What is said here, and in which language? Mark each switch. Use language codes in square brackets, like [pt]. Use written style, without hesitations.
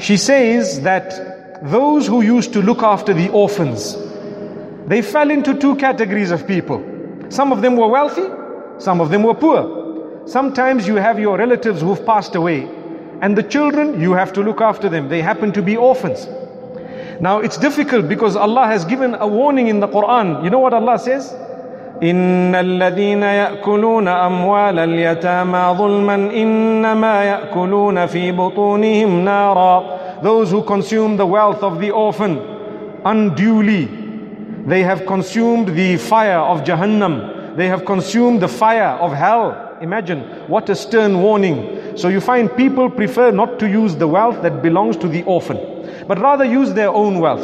[en] She says that those who used to look after the orphans, they fell into two categories of people. Some of them were wealthy, some of them were poor. Sometimes you have your relatives who've passed away, and the children, you have to look after them. They happen to be orphans. Now it's difficult because Allah has given a warning in the Quran. You know what Allah says? [ar] إن الذين يأكلون أموال اليتامى ظلما إنما يأكلون في بطونهم نارا. [en] Those who consume the wealth of the orphan unduly, they have consumed the fire of Jahannam. They have consumed the fire of hell. Imagine what a stern warning. So you find people prefer not to use the wealth that belongs to the orphan, but rather use their own wealth.